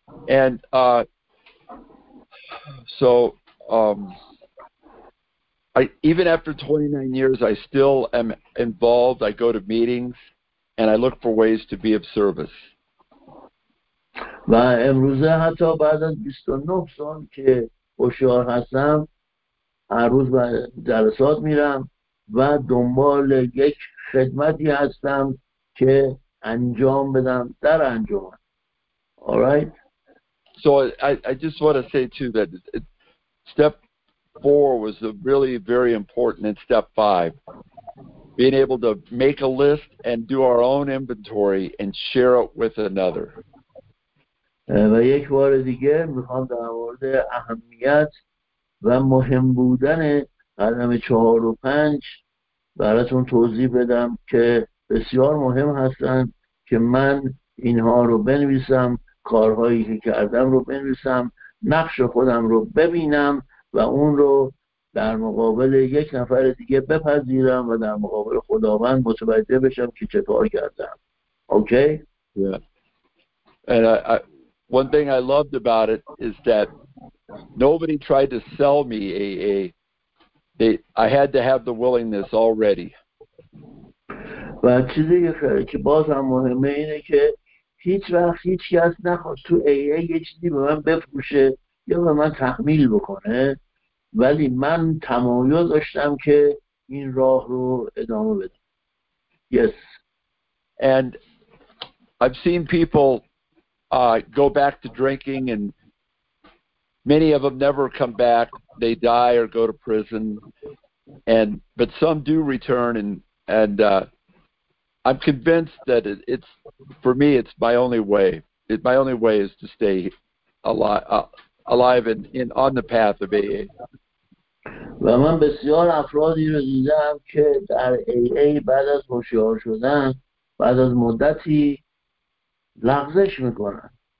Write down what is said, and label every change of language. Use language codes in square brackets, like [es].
[en] And I even after 29 years I still am involved. I go to meetings and I look for ways to be of service. [fa] و امروز حتی بعد از 29 سال که هوشیار هستم هر روز به جلسات میرم و دنبال یک خدمتی هستم که انجام بدم در انجام. [en] All right. So I just want to say too that step 4 was really very important in step 5. being able to make a list and do our own inventory and share it with another. [fa] و یک بار دیگه میخوام در مورد اهمیت و مهم بودن قدم 4 و 5 براتون توضیح بدم که بسیار مهم هستن که من اینها رو بنویسم، کارهایی که کردم رو بنویسم، نقش خودم رو ببینم و اون رو در مقابل یک نفر دیگه بپذیرم و در مقابل خداوند متوجه بشم که چه کار کردم. [en] Okay? One thing I loved about it is that nobody tried to sell me AA. I had to have the willingness already. [fa] و چیزی که باز هم مهمه اینه که هیچ وقت هیچ کس نخواست تو AA یه چیزی به من بفروشه یا به من تحمیل بکنه، ولی من تمایل داشتم که این راه رو ادامه بدم. [en] Yes. And I've seen people go back to drinking, and many of them never come back. They die or go to prison, but some do return, and I'm convinced that it's for me. It's my only way. My only way is to stay alive and on the path of AA. [fa] و من بسیار افرادی رو دیدم که در AA بعد از هوشیار شدن بعد از مدتی لغزش میکنن.